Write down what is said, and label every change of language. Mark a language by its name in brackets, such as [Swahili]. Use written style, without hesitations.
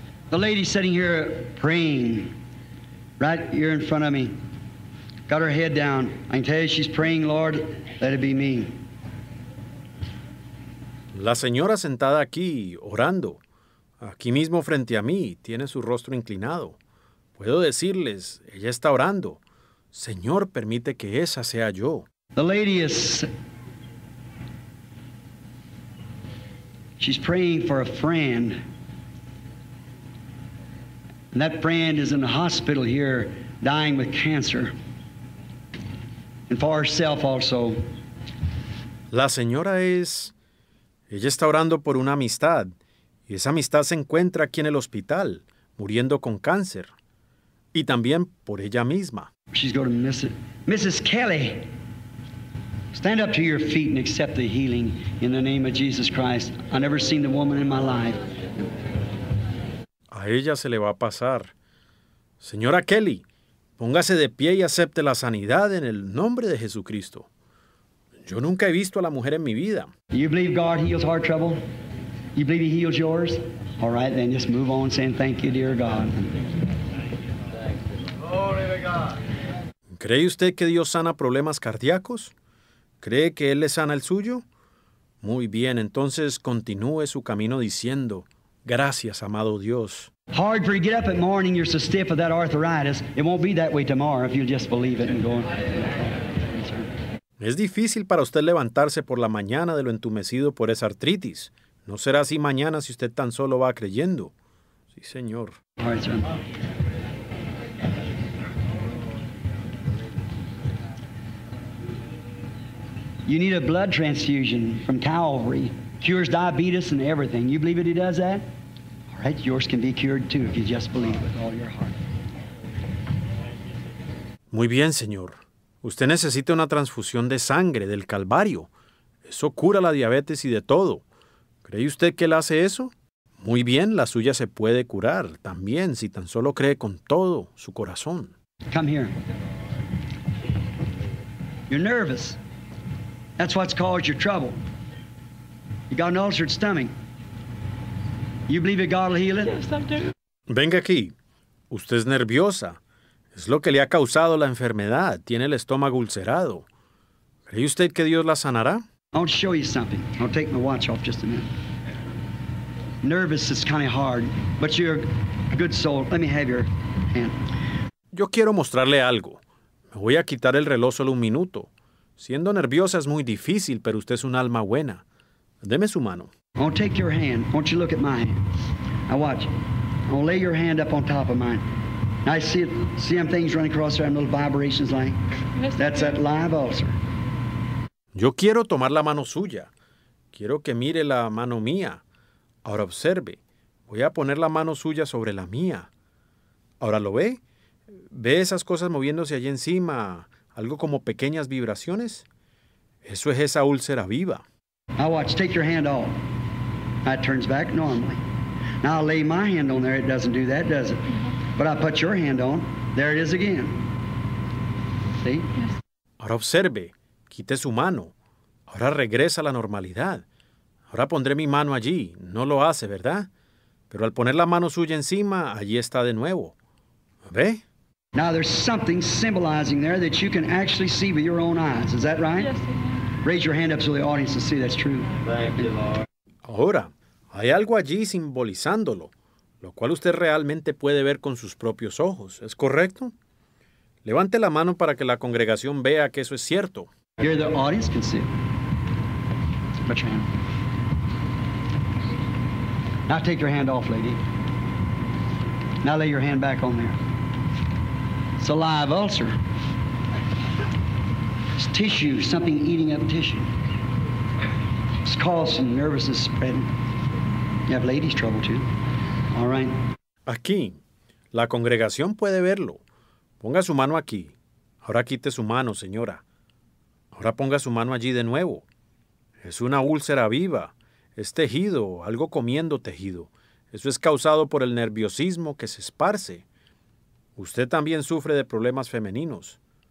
[English] The lady sitting here praying, right here in front of me, got her head down. I can tell you she's praying, Lord, let it be me. [Spanish] La señora sentada aquí, orando, aquí mismo frente a mí, tiene su rostro inclinado. Puedo decirles, ella está orando. Señor, permite que esa sea yo. [English] The lady is... She's praying for a friend. And that friend is in the hospital here, dying with cancer. And for herself also. [Spanish] La señora es... Ella está orando por una amistad. Y esa amistad se encuentra aquí en el hospital, muriendo con cáncer. Y también por ella misma. [English] She's going to miss it. Mrs. Kelly, stand up to your feet and accept the healing in the name of Jesus Christ. I've never seen the woman in my life. [Spanish] A ella se le va a pasar. Señora Kelly, póngase de pie y acepte la sanidad en el nombre de Jesucristo. Yo nunca he visto a la mujer en mi vida. [English] You believe God heals heart trouble? You believe he heals yours? All right, then just move on saying thank you, dear God. [Spanish] ¿Cree usted que Dios sana problemas cardíacos? ¿Cree que Él le sana el suyo? Muy bien, entonces continúe su camino diciendo, gracias, amado Dios. [English] Hard for you to get up in the morning, you're so stiff with that arthritis. It won't be that way tomorrow if you'll just believe it and go on. [Spanish] Es difícil para usted levantarse por la mañana de lo entumecido por esa artritis. No será así mañana si usted tan solo va creyendo. Sí, señor. [English] All right, sir. You need a blood transfusion from Calvary. Cures diabetes and everything. You believe that he does that? All right, yours can be cured too if you just believe with all your heart. [Spanish] Muy bien, señor. Usted necesita una transfusión de sangre del Calvario. Eso cura la diabetes y de todo. ¿Cree usted que él hace eso? Muy bien, la suya se puede curar también si tan solo cree con todo su corazón. [English] Come here. You're nervous. That's what's caused your trouble. You got an ulcered stomach. You believe that God will heal it? Yes, I do. [Spanish] Venga aquí. Usted es nerviosa. Es lo que le ha causado la enfermedad. Tiene el estómago ulcerado. ¿Cree usted que Dios la sanará? [English] I'll show you something. I'll take my watch off just a minute. Nervous is kind of hard, but you're a good soul. Let me have your hand. [Spanish] Yo quiero mostrarle algo. Me voy a quitar el reloj solo un minuto. Siendo nerviosa es muy difícil, pero usted es un alma buena. Deme su mano. [English] I'll take your hand. Won't you look at my hand? Now watch. I'll lay your hand up on top of mine. I see it. See them things running across there, little vibrations like. That's that live ulcer. [Spanish] Yo quiero tomar la mano suya. Quiero que mire la mano mía. Ahora observe. Voy a poner la mano suya sobre la mía. ¿Ahora lo ve? ¿Ve esas cosas moviéndose allí encima? ¿Algo como pequeñas vibraciones? Eso es esa úlcera viva. [English] Now watch, take your hand off. That turns back normally. Now I lay my hand on there, it doesn't do that, does it? But I put your hand on, there it is again. See? Yes. [Spanish] Ahora observe, quite su mano. Ahora regresa a la normalidad. Ahora pondré mi mano allí. No lo hace, ¿verdad? Pero al poner la mano suya encima, allí está de nuevo. ¿Ve? [English] Now there's something symbolizing there that you can actually see with your own eyes. Is that right? Yes, sir. Raise your hand up so the audience can see that's true. Thank you, Lord. [Spanish] Ahora, hay algo allí simbolizándolo, lo cual usted realmente puede ver con sus propios ojos. ¿Es correcto? Levante la mano para que la congregación vea que eso es cierto. [English] Here the audience can see. Put your hand. Now take your hand off, lady. Now lay your hand back on there. It's a live ulcer. It's tissue, something eating up tissue. It's causing nervousness spreading. You have ladies trouble too. All right. [Spanish] Aquí, la congregación puede verlo. Ponga su mano aquí. Ahora quite su mano, señora. Ahora ponga su mano allí de nuevo. Es una úlcera viva. Es tejido, algo comiendo tejido. Eso es causado por el nerviosismo que se esparce. Usted también sufre de problemas femeninos.